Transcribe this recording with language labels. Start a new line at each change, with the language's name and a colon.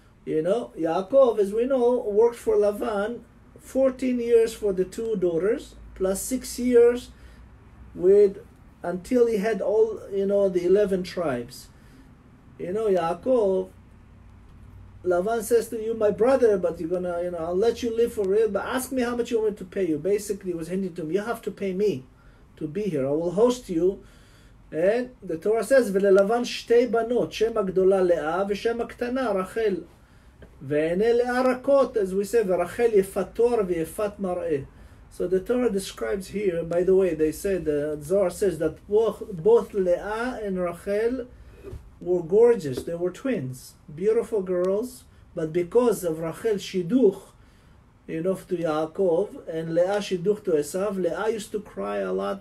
English: You know, Yaakov, as we know, worked for Lavan 14 years for the two daughters, plus 6 years with, until he had all, you know, the 11 tribes. You know, Yaakov, Lavan says to you, my brother, but you're gonna, you know, I'll let you live for real, but ask me how much you want me to pay you. Basically, he was hinting to him, you have to pay me to be here. I will host you.
Hebrew: And the Torah says, וללבן שתי בנות, שם הגדולה לאה ושם הקטנה, רחל. ועיני לאה רכות, as we say, ורחל יפת תואר ויפת מראה.
English: So the Torah describes here, by the way, they said, Zohar says that both Leah and Rachel were gorgeous. They were twins, beautiful girls. But because of Rachel shiduch, you know, to Yaakov, and Leah shiduch to Esav, Leah used to cry a lot.